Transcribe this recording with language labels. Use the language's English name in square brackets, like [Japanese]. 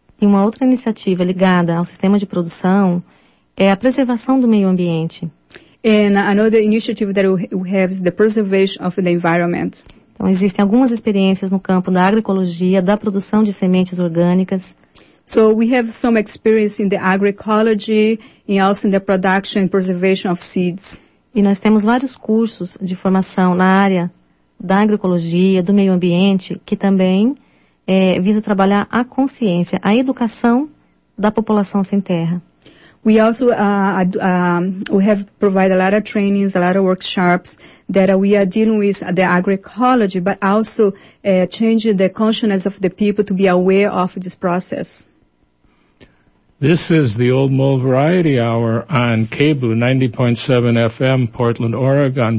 [Portuguese] E uma outra iniciativa ligada ao sistema de produção é a preservação do meio ambiente. [English] And another initiative that we have is the preservation of the environment. [Portuguese] Então, existem algumas experiências no campo da agroecologia, da produção de sementes orgânicas. [English] So we have some experience in the agroecology and also in the production and preservation of seeds. [Portuguese] E nós temos vários cursos de formação na área da agroecologia, do meio ambiente, que também visa trabalhar a consciência, a educação da população sem terra. [English] We also we have provided a lot of trainings, a lot of workshops that we are dealing with the agroecology, but also changing the consciousness of the people to be aware of this process. This is the Old Mole Variety Hour on KABU 90.7 FM, Portland, Oregon.